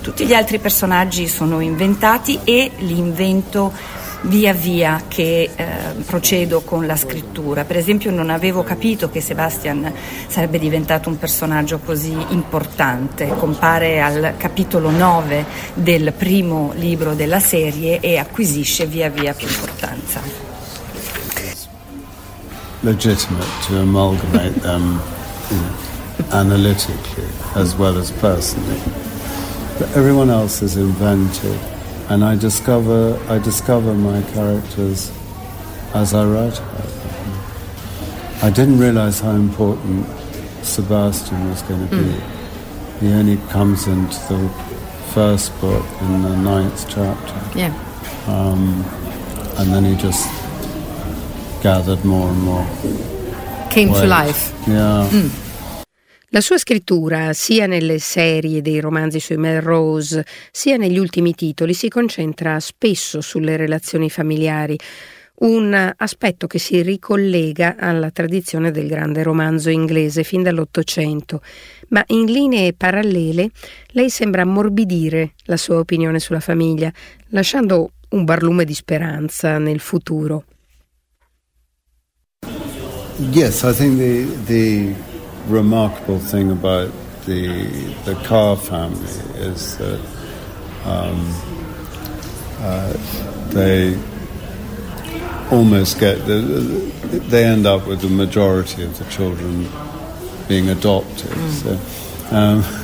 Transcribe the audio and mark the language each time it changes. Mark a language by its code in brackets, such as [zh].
[it] Tutti gli altri personaggi sono inventati e li invento via via che procedo con la scrittura. Per esempio, non avevo capito che Sebastian sarebbe diventato un personaggio così importante. Compare al capitolo 9 del primo libro della serie e acquisisce via via più importanza. [en] Legitimate to amalgamate them analytically as well as personally. But everyone else is invented. And I discover my characters as I write about them. I didn't realize how important Sebastian was going to be. Mm. He only comes into the first book in the 9th chapter. Yeah. And then he just gathered more and more. Came weight. To life. Yeah. Mm. [it] La sua scrittura, sia nelle serie dei romanzi sui Melrose, sia negli ultimi titoli, si concentra spesso sulle relazioni familiari, un aspetto che si ricollega alla tradizione del grande romanzo inglese fin dall'Ottocento. Ma in linee parallele, lei sembra ammorbidire la sua opinione sulla famiglia, lasciando un barlume di speranza nel futuro. [en] Yes, I think the remarkable thing about the Carr family is that they almost get they end up with the majority of the children being adopted. Mm.